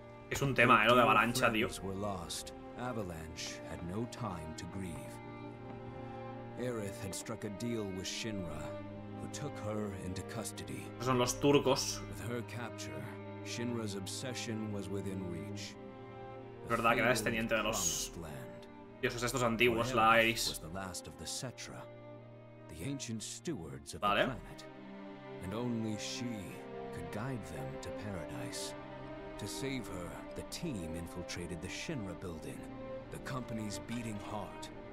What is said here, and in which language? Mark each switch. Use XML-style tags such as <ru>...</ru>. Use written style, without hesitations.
<es>Es un tema, lo de Avalancha, tío.</es> <en>Avalanche had no time to grieve. Aerith had struck a deal with Shinra, who took her into custody.</en> <es>Son los turcos.</es> <en>With her capture, Shinra's obsession was within reach.</en> <es>Es verdad que era descendiente de los dioses estos antiguos, la Aerith.</es> <en>Was the last of the Setra, the ancient stewards of the planet, and only she could guide them to paradise. To save her, the team infiltrated the Shinra building, the company's beating heart.</en>